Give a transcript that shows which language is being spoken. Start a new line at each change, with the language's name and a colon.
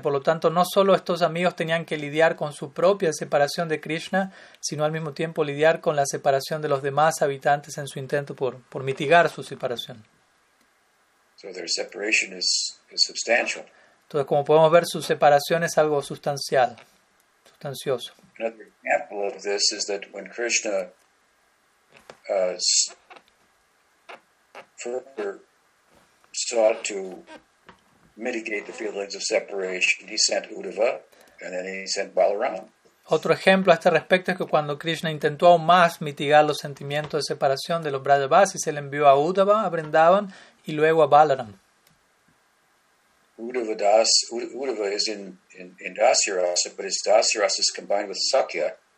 Spanish: Por lo tanto, no solo estos amigos tenían que lidiar con su propia separación de Krishna, sino al mismo tiempo lidiar con la separación de los demás habitantes en su intento por mitigar su separación.
English: So their separation is substantial.
Spanish: Entonces, como podemos ver, su separación es algo sustancial, sustancioso.
English: Another example of this is that when Krishna further sought to mitigate the feelings of separation, he sent Uddhava and then he sent Balaram.
Spanish: Otro ejemplo a este respecto es que cuando Krishna intentó aún más mitigar los sentimientos de separación de los Brajavasis, él envió a Uddhava, a Vrindavan, y luego a Balaram.
English: Uddhava is in Dasyarasa, but his Dasyarasa is combined with Sakya.